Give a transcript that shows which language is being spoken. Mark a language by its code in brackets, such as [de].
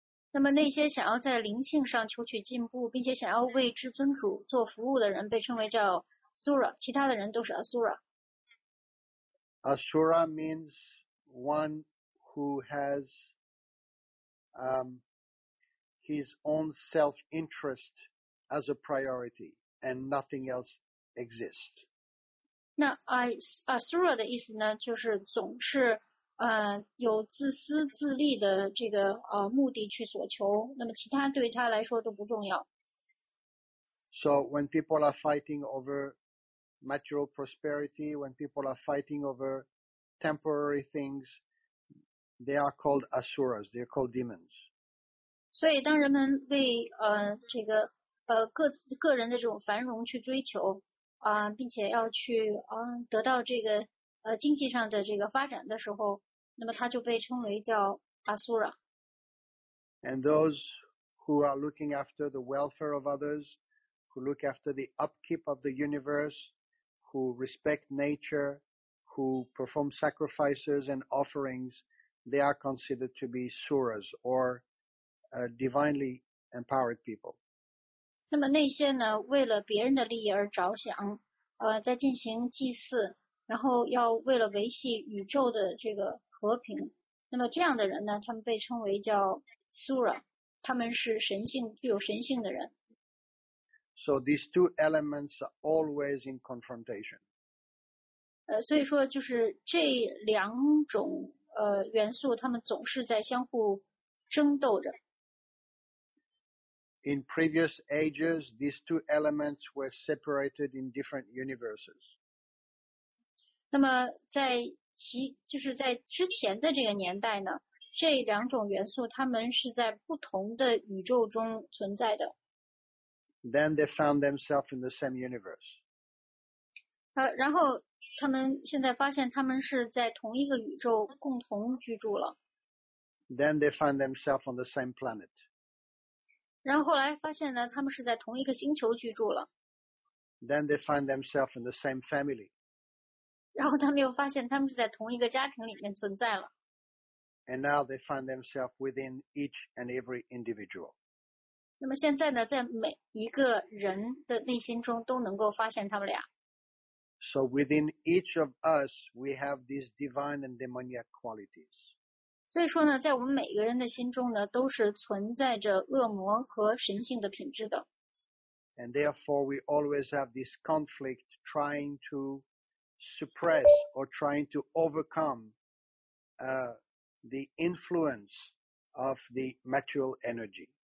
[zh] 那么那些想要在灵性上求取进步，并且想要为至尊主做服务的人被称为叫 Asura， 其他的人都是 Asura。 [en] Asura means one who has his own self-interest as a priority and nothing else exists. [zh] 那 Asura 的意思呢，就是总是有自私自利的这个目的去所求，那么其他对他来说都不重要。 [en] So when people are fighting over material prosperity, when people are fighting over temporary things, they are called asuras. They are called demons. [zh] 所以当人们为这个个人的这种繁荣去追求并且要去得到这个经济上的这个发展的时候，那么他就被称为叫 Asura。 [en] And those who are looking after the welfare of others, who look after the upkeep of the universe, who respect nature, who perform sacrifices and offerings, they are considered to be Suras or divinely empowered people. [zh] 那么那些呢，为了别人的利益而着想，在进行祭祀，然后要为了维系宇宙的这个和平，那么这样的人呢，他们被称为叫 Sura， 他们是神性，具有神性的人。 [en] So these two elements are always in confrontation. [zh] 所以说就是这两种元素，他们总是在相互争斗着。 [en] In previous ages, these two elements were separated in different universes. [zh] 那么在其就是在之前的这个年代呢，这两种元素它们是在不同的宇宙中存在的。 [en] Then they found themselves in the same universe. [zh] 然后他们现在发现他们是在同一个宇宙共同居住了。 [en] Then they found themselves on the same planet. [zh] 然后后来发现呢，他们是在同一个星球居住了。 [en] Then they find themselves in the same family. [zh] 然后他们又发现他们是在同一个家庭里面存在了。 [en] And now they find themselves within each and every individual. [zh] 那么现在呢，在每一个人的内心中都能够发现他们俩。 [en] So within each of us, we have these divine and demoniac qualities. [zh] 所以说呢，在我们每个人的心中呢，都是存在着恶魔和神性的品质的。 [en] And therefore, we always have this conflict trying to suppress or trying to overcome, the influence of the material energy.